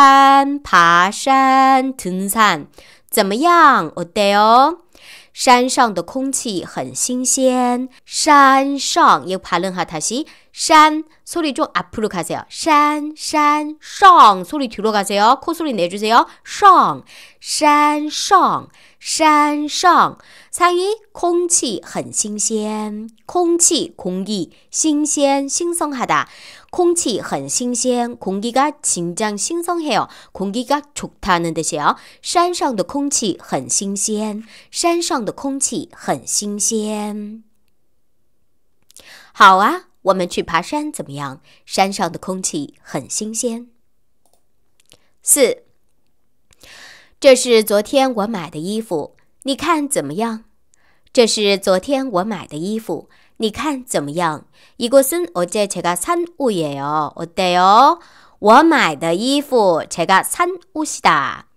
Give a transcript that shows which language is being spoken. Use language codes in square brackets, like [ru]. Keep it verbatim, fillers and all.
[zh] 我们去爬山,爬山,爬山, 등산. 怎么样? [ko] 어때요? [zh] 山上的空气很新鲜山上 [ko] 이거 발음하 다시 산 소리 좀 앞으로 가세요. 산,산,上 소리 뒤로 가세요. 코소리 내주세요. 上,山上,山上 상이 [zh] 空气很新鲜空气 [ko] 공기 新鲜 신성하다. [zh] 空气很新鲜 [ko] 공기가 진짜 신성해요. 공기가 좋다는 뜻이에요. [zh] 山上的空气很新鲜山上的空气很新鲜 好啊,我们去爬山怎么样？山上的空气很新鲜。四. 这是昨天我买的衣服，你看怎么样？这是昨天我买的衣服，你看怎么样? [ko] 이곳은 어제 제가 산 옷이에요. 어때요? [zh] 我买的衣服 [ko] 제가 산 옷이다.